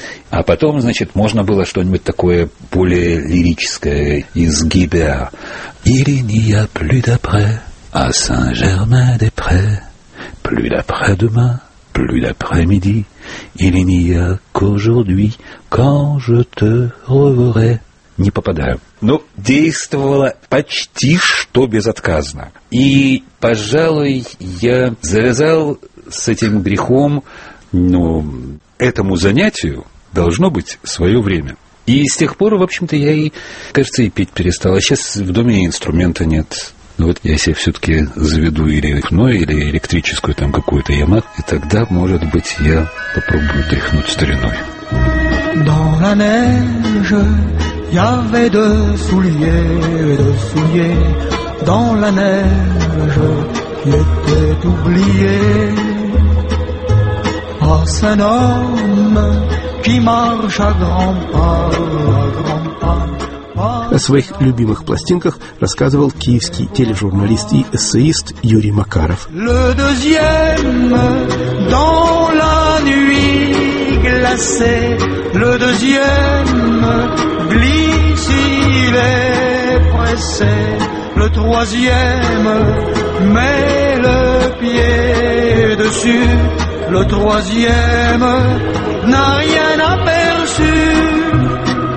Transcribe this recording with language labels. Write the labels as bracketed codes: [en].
[ru] А потом, значит, можно было что-нибудь такое более лирическое из Гибеа. [fr] Il n'y a plus d'après à Saint-Germain-des-Prés, plus d'après-demain, plus d'après-midi, il n'y a qu'aujourd'hui, quand je te reverrai. [ru] Не попадаю. Но действовало почти что безотказно. И, пожалуй, я завязал с этим грехом. Но этому занятию должно быть свое время. И с тех пор, в общем-то, я и, кажется, и петь перестал. А сейчас в доме инструмента нет. Но вот если я все-таки заведу или фно, или электрическую там какую-то Yamaha, и тогда, может быть, я попробую тряхнуть стариной. [fr] Dans la neige, y avait de souliers, de souliers. Dans la neige, y était oublié. Passe un homme qui marche à grands pas, à grands pas. [ru] О своих любимых пластинках рассказывал киевский тележурналист и эссеист Юрий Макаров. [fr] Le deuxième dans la nuit glacée, le deuxième glisse, il est pressé, le troisième met le pied dessus, le troisième n'a rien aperçu.